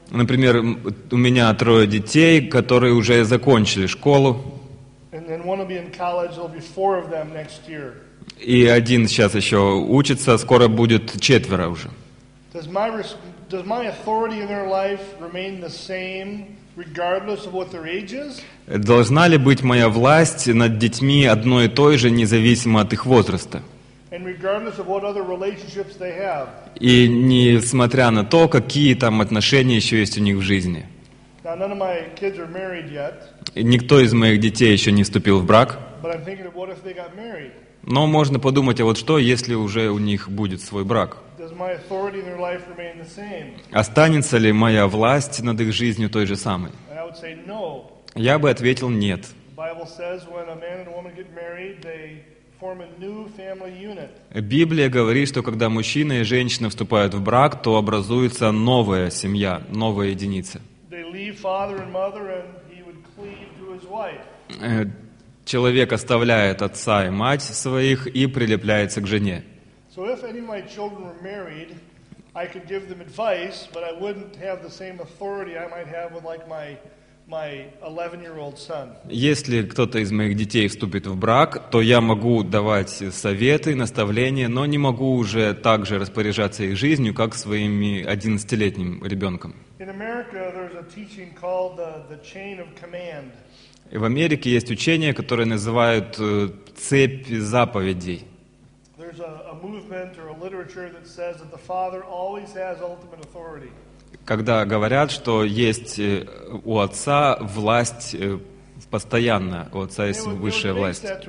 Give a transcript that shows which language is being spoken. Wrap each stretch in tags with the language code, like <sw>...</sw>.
<ru>Например, у меня трое детей, которые уже закончили школу.</ru> <en>And one will be in college. There'll be four of them next year.</en> <ru>И один сейчас еще учится, скоро будет четверо уже.</ru> <en>Does my authority in their life remain the same, regardless of what their age is?</en> <ru>Должна ли быть моя власть над детьми одной и той же, независимо от их возраста?</ru> <en>And regardless of what other relationships they have.</en> <ru>И несмотря на то, какие там отношения еще есть у них в жизни.</ru> <en>Now, none of my kids are married yet.</en> <ru>Никто из моих детей еще не вступил в брак.</ru> <en>But I'm thinking of what if they got married.</en> <ru>Но можно подумать, а вот что, если уже у них будет свой брак?</ru> <en>Does my authority in their life remain the same?</en> <ru>Останется ли моя власть над их жизнью той же самой?</ru> <en>And I would say no.</en> <ru>Я бы ответил нет.</ru> <en>Bible says when a man and a woman get married, they form a new family unit.</en> <ru>Библия говорит, что когда мужчина и женщина вступают в брак, то образуется новая семья, новая единица.</ru> <en>They leave father and mother, and he would cleave to his wife.</en> <ru>Человек оставляет отца и мать своих и прилепляется к жене.</ru> <en>So if any of my children were married, I could give them advice, but I wouldn't have the same authority I might have with like my 11-year-old son.</en> <ru>Если кто-то из моих детей вступит в брак, то я могу давать советы, наставления, но не могу уже так же распоряжаться их жизнью, как своими 11-летним ребенком.</ru> <en>In America, there's a teaching called the chain of command.</en> <ru>И в Америке есть учение, которое называют цепь заповедей.</ru> <en>There's a movement or a literature that says that the father always has ultimate authority.</en> <ru>Когда говорят, что есть у отца власть постоянно, у отца есть высшая власть.</ru>